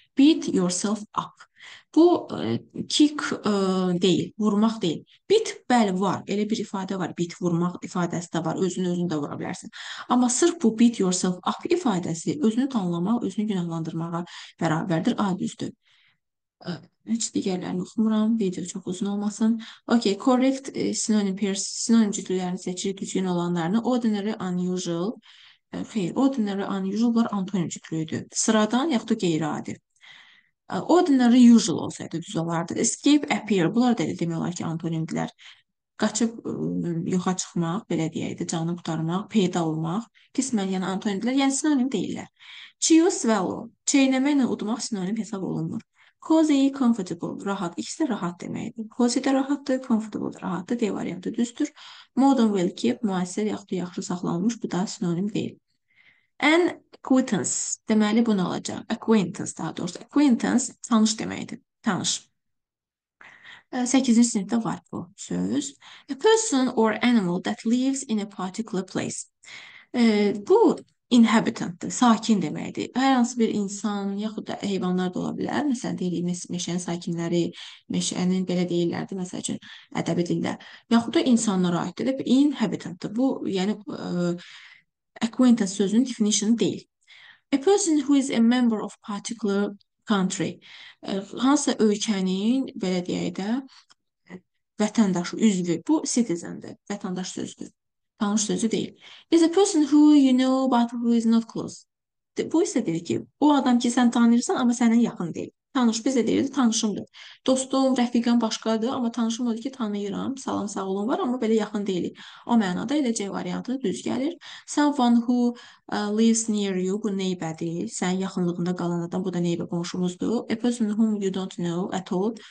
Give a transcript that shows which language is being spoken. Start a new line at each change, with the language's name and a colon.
English: Beat yourself up.
Azerbaijani: Bu, kick deyil, vurmaq deyil. Beat, bəli, var. Elə bir ifadə var. Beat, vurmaq ifadəsi də var. Özünü-özünü də vura bilərsin. Amma sırf bu
English: beat yourself up
Azerbaijani: ifadəsi özünü tanılamaq, özünü günahlandırmağa bərabərdir. A, düzdür. Heç digərlərini oxumuram. Video çox uzun olmasın. Ok,
English: correct synonym pairs,
Azerbaijani: synonym cütlüklərini seçirik düzgün olanlarını. Ordinary, unusual. Xeyr, ordinary, unusual var, antonim cütlüyüdür. Sıradan, yaxud da qeyri-adi. Ordinary, usual olsaydı düz olardı.
English: Escape, appear.
Azerbaijani: Bunlar da demək olar ki, antonimdilər. Qaçıb yoxa çıxmaq, belə deyək, canı qutarmaq, peyda olmaq. Qismən, yəni antonimdilər, yəni sinonim deyirlər. Chew, swallow. Çeynəməklə udmaq sinonim hesab olunmur. Cozy, comfortable, rahat. İkisi de rahat deməkdir. Cozy də rahatdır, comfortable rahatdır. D variantı düzdür. Modern will keep, müasir yaxud da yaxşı saxlanılmış. Bu da sinonim deyil. An acquaintance. Deməli, bunu alacaq. Acquaintance daha doğrusu. Acquaintance tanış deməkdir. Tanış. 8-ci sinifdə var bu söz.
English: A person or animal that lives in a particular place.
Azerbaijani: Bu inhabitantdır, sakin deməkdir. Hər hansı bir insan, yaxud da heyvanlar da ola bilər. Məsələn, deyirik, meşənin sakinləri, meşənin belə deyirlərdi, məsəl üçün, ədəbi dildə. Yaxud da insanlara aiddir, inhabitantdır. Bu, yəni, acquaintance sözünün definition deyil.
English: A person who is a member of particular country.
Azerbaijani: Hansısa ölkənin, belə deyək də, vətəndaşı, üzvü. Bu, citizendir, vətəndaş sözüdür. Tanış sözü deyil.
English: Is a person who you know but who is not close.
Azerbaijani: Bu isə deyir ki, o adam ki sən tanıyırsan amma sənə yaxın deyil. Tanış bizə deyir, tanışımdır. Dostum, rəfiqəm başqadır amma tanışım odur ki tanıyıram. Salam, sağ olun var amma belə yaxın deyilik. O mənada elə C variantı düz gəlir.
English: Someone who lives near you, bu neighbor-dir.
Azerbaijani: Sənin yaxınlığında qalan adam, bu da neighbor qonşumuzdur.
English: A person whom you don't know at all.